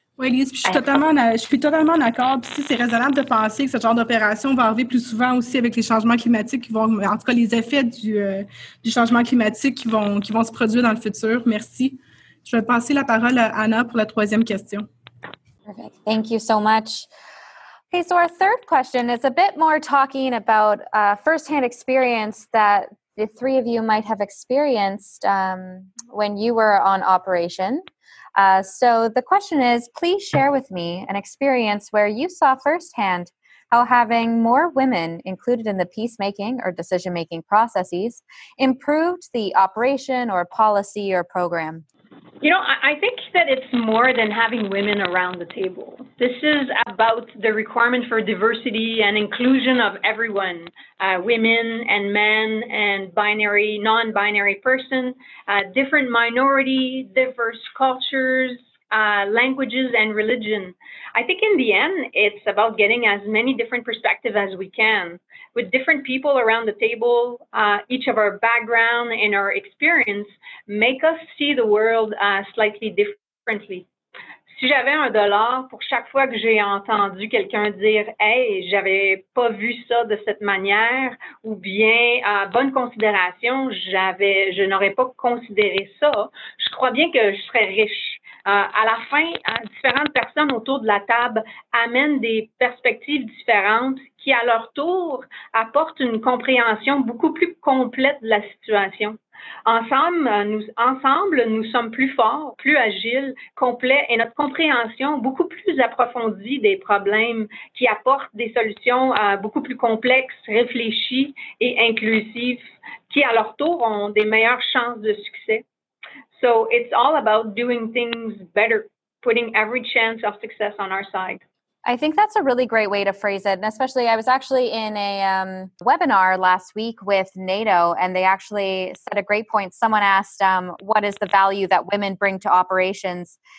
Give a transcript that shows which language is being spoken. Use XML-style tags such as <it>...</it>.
<fr>Oui, Lise, je suis totalement d'accord. Puis, c'est raisonnable de penser que ce genre d'opération va arriver plus souvent aussi avec les changements climatiques qui vont, en tout cas, les effets du changement climatique qui vont se produire dans le futur. Merci. Je vais passer la parole à Anna pour la troisième question.</fr> <en>Perfect. Thank you so much. Okay, so our third question is a bit more talking about firsthand experience that the three of you might have experienced when you were on operation. So the question is, please share with me an experience where you saw firsthand how having more women included in the peacemaking or decision-making processes improved the operation or policy or program. You know, I think that it's more than having women around the table. This is about the requirement for diversity and inclusion of everyone, women and men and binary, non-binary person, different minority, diverse cultures, languages and religion. I think in the end, it's about getting as many different perspectives as we can with different people around the table. Each of our background and our experience make us see the world slightly differently.</en> <fr>Si j'avais un dollar pour chaque fois que j'ai entendu quelqu'un dire « Hey, j'avais pas vu ça de cette manière » ou bien « Bonne considération, je n'aurais pas considéré ça », je crois bien que je serais riche. À la fin, différentes personnes autour de la table amènent des perspectives différentes qui, à leur tour, apportent une compréhension beaucoup plus complète de la situation. Ensemble, nous sommes plus forts, plus agiles, complets et notre compréhension beaucoup plus approfondie des problèmes qui apportent des solutions beaucoup plus complexes, réfléchies et inclusives qui, à leur tour, ont des meilleures chances de succès.</fr> <en>So it's all about doing things better, putting every chance of success on our side. I think that's a really great way to phrase it. And especially, I was actually in a webinar last week with NATO, and they actually said a great point. Someone asked, what is the value that women bring to operations?</en>